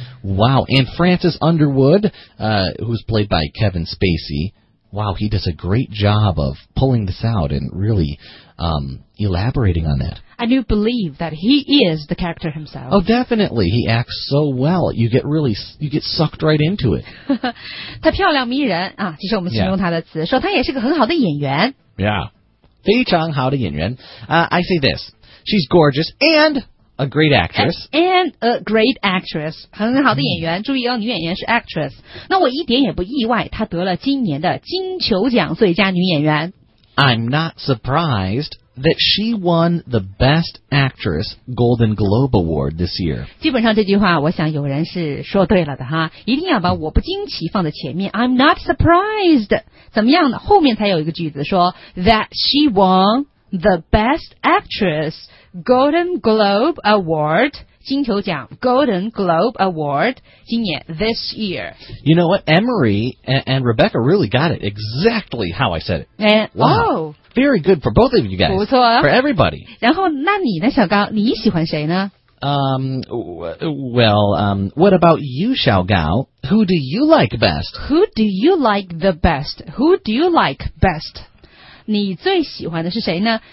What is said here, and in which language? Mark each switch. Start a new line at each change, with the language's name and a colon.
English: Wow, and Frances Underwood, who's played by Kevin Spacey. Wow, he does a great job of pulling this out and really、elaborating on that. I do believe that he is the character himself. Oh, definitely. He acts so well. You get really, you get sucked right into it.
Chinese: 他漂亮迷人、啊、其实我们形容他的词、 yeah. 说他也是个很好的演员。
English: Yeah,
Chinese: 非常好的演员、
English: I say this, she's gorgeous and... A great actress. And a great actress.
Chinese: 很好的演员、注意哦，女演员是 actress. 那我一点也不意外，她得了今年的金球奖最佳女演员。
English: I'm not surprised that she won the Best Actress Golden Globe Award this year.
Chinese: 基本上这句话我想有人是说对了的哈，一定要把我不惊奇放在前面。
English: I'm not surprised.
Chinese: 怎么样呢？后面才有一个句子说
English: that she won the Best Actress. Golden Globe Award, 金球奖 Golden Globe Award, 今年 this year. You know what, Emery and Rebecca really got it exactly how I said it. And, wow,、 oh, very good for both of you guys,
Chinese: 不错、
English: 啊、for everybody.
Chinese: 然后那你呢小高你喜欢谁呢
English: What about you, Xiao Gao? Who do you like best? Who do you like the best? Who do you like best?
Chinese: 你最喜欢的是谁呢？